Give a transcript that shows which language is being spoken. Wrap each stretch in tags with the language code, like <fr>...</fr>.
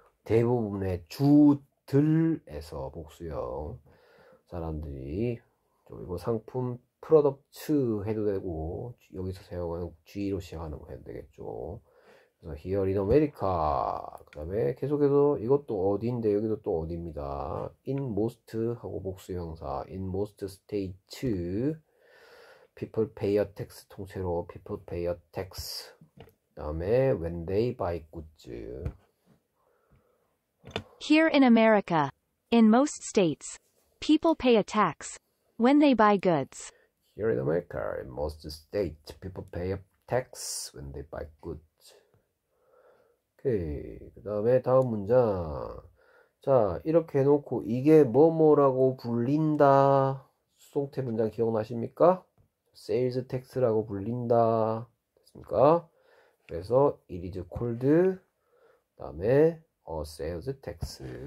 <ko>대부분의 주들에서 복수형 사람들이 이거 상품 프로덕트 해도 되고 여기서 사용하는 G로 시작하는 거 해도 되겠죠. 그래서 히어 인 아메리카. 그다음에 계속해서 이것도 어디인데 여기도 또 어디입니다. 인 모스트 하고 복수 형사 인 모스트 스테이츠.</ko> <en>People pay a tax 통째로 people pay a tax. 그다음에 when they buy goods. Here in America, in most states, people pay a tax when they buy goods. Here in America, in most states, people pay a tax when they buy goods.</en> <ko>오케이. 그다음에 다음 문장. 자, 이렇게 해놓고 이게 뭐뭐라고 불린다. 수동태 문장 기억나십니까? Sales tax라고 불린다. 됐습니까?</ko> <en>그래서 it is called 그다음에 a sales tax.</en>